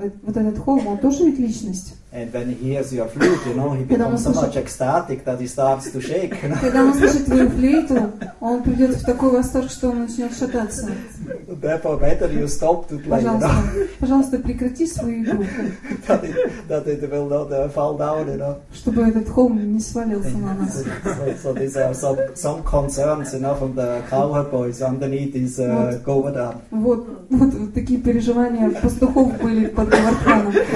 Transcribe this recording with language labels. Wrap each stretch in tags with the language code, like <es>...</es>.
<ru>Вот этот холм, он тоже ведь личность.</ru> <en>And when he hears your flute, you know, he becomes so much ecstatic that he starts to shake. You know?</en> <ru>Когда он слышит твою флейту, он придет в такой восторг, что он начнет шататься.</ru> <en>Therefore, better you stop to play.</en> <ru>Пожалуйста,</ru> <en>you know?</en> <ru>Пожалуйста, прекрати свою игру.</ru> <en>That it will not fall down, you know.</en> <ru>Чтобы этот холм не свалился на нас.</ru> <en>So these are some concerns, you know, from the cowherd boys underneath his govardhan.</en> <ru>Вот такие переживания пастухов были под Говардханом.</ru>